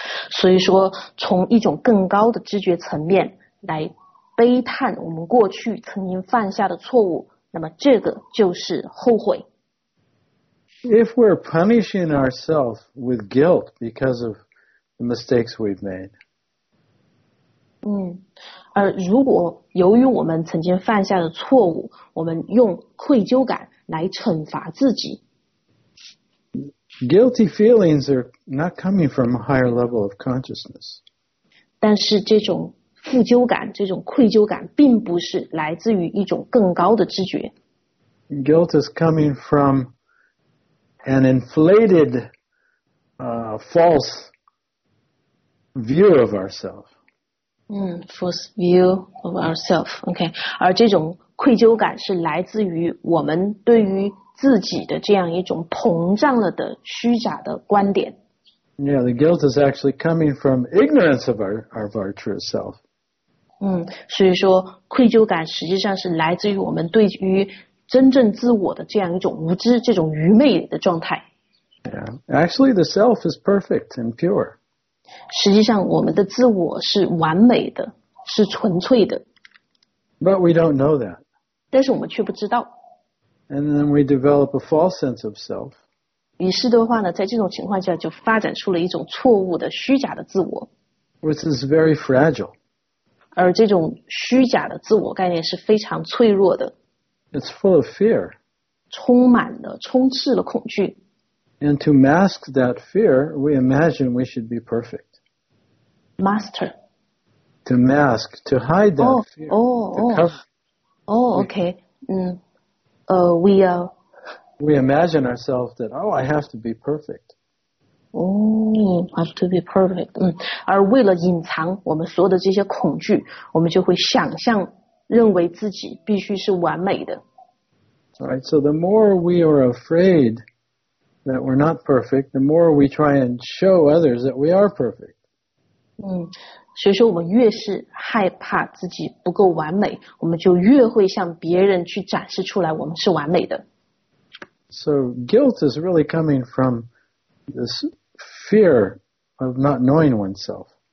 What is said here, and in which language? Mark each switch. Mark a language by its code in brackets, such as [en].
[zh] 所以说从一种更高的知觉层面来悲叹我们过去曾经犯下的错误，那么这个就是后悔。 [en] If we're punishing ourselves with guilt because of the mistakes we've made. [zh] 而如果由于我们曾经犯下的错误，我们用愧疚感来惩罚自己。 [en] Guilty feelings are not coming from a higher level of consciousness. [zh] 但是这种负疚感，这种愧疚感并不是来自于一种更高的知觉。 [en] Guilt is coming from an inflated, false view of ourselves. False view of ourselves. Okay. [zh] 而这种愧疚感是来自于我们对于自己的这样一种膨胀了的虚假的观点。 [en] Yeah, the guilt is actually coming from ignorance of our true self. [zh] 所以说愧疚感实际上是来自于我们对于真正自我的这样一种无知，这种愚昧的状态。 [en] Yeah, actually the self is perfect and pure. [zh] 实际上我们的自我是完美的，是纯粹的。 [en] But we don't know that. [zh] 但是我们却不知道。 [en] And then we develop a false sense of self. [zh] 于是的话呢，在这种情况下就发展出了一种错误的虚假的自我。 [en] Which is very fragile. [zh] 而这种虚假的自我概念是非常脆弱的。 [en] It's full of fear. [zh] 充斥了恐惧。 [en] And to mask that fear, we imagine we should be perfect. Master. To mask, to hide that fear. Okay. We imagine ourselves that, oh, I have to be perfect. Oh, have to be perfect. [zh] 而为了隐藏我们所有的这些恐惧，我们就会想象认为自己必须是完美的。 [en] All right, so the more we are afraid... that we're not perfect, the more we try and show others that we are perfect. [zh] 所以说我们越是害怕自己不够完美，我们就越会向别人去展示出来我们是完美的。 [en] So guilt is really coming from this fear of not knowing oneself.